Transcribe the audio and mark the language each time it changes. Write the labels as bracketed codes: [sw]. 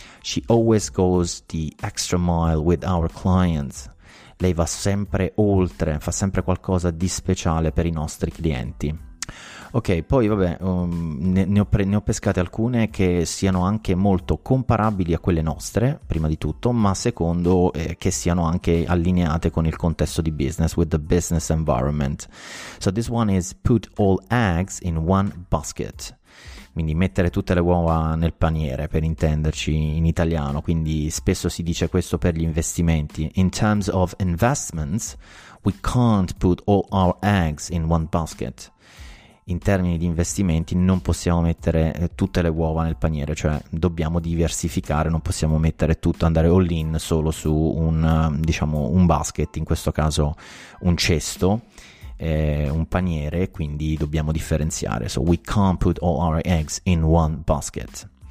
[en] She always goes the extra mile with our clients. [it] Lei va sempre oltre, fa sempre qualcosa di speciale per i nostri clienti. Ok, poi vabbè, ne ho pescate alcune che siano anche molto comparabili a quelle nostre, prima di tutto, ma secondo che siano anche allineate con il contesto di business, [en] with the business environment. So this one is put all eggs in one basket. [it] Quindi mettere tutte le uova nel paniere, per intenderci in italiano. Quindi spesso si dice questo per gli investimenti. [en] In terms of investments, we can't put all our eggs in one basket. [it] In termini di investimenti non possiamo mettere tutte le uova nel paniere, cioè dobbiamo diversificare, non possiamo mettere tutto, andare all in solo su un, diciamo, un basket, in questo caso un cesto. È un paniere, quindi dobbiamo differenziare. [en] So we can't put all our eggs in one basket.